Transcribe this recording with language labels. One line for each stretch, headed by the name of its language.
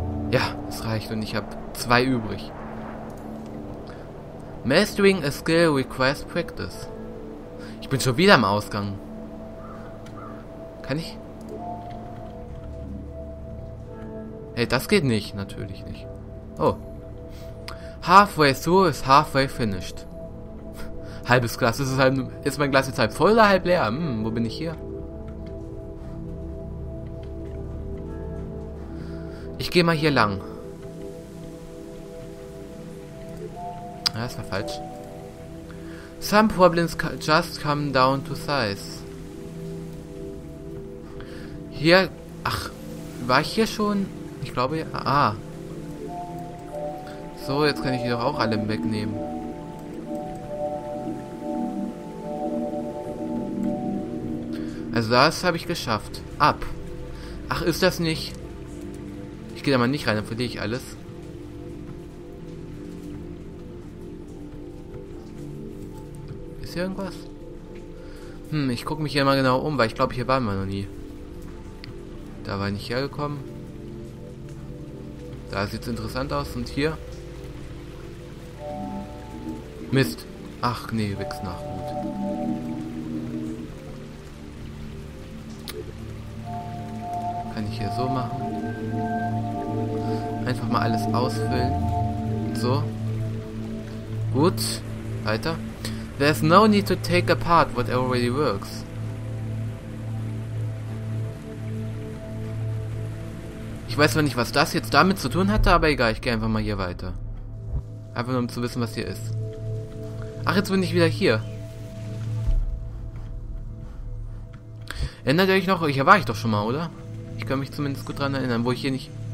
German: Ja, es reicht und ich habe zwei übrig.
English: Mastering a skill requires practice.
German: Ich bin schon wieder am Ausgang. Kann ich? Hey, das geht nicht, natürlich nicht. Oh.
English: Halfway through is halfway finished.
German: Halbes Glas, ist mein Glas jetzt halb voll oder halb leer? Hm, wo bin ich hier? Ich gehe mal hier lang. Ja, das war falsch.
English: Some problems just come down to size.
German: Hier, ach, war ich hier schon? Ich glaube, ja. Ah. So, jetzt kann ich die doch auch alle wegnehmen. Also das habe ich geschafft. Ab. Ach, ist das nicht? Ich gehe da mal nicht rein, dann verliere ich alles. Ist hier irgendwas? Hm, ich gucke mich hier mal genau um, weil ich glaube, hier waren wir noch nie. Da war ich nicht hergekommen. Da sieht es interessant aus. Und hier? Mist. Ach, nee, wächst nach. Gut. Kann ich hier so machen. Einfach mal alles ausfüllen. So. Gut. Weiter.
English: There's no need to take apart what already works.
German: Ich weiß zwar nicht, was das jetzt damit zu tun hatte, aber egal, ich gehe einfach mal hier weiter. Einfach nur, um zu wissen, was hier ist. Ach, jetzt bin ich wieder hier. Erinnert ihr euch noch? Hier war ich doch schon mal, oder? Ich kann mich zumindest gut dran erinnern, wo ich hier nicht...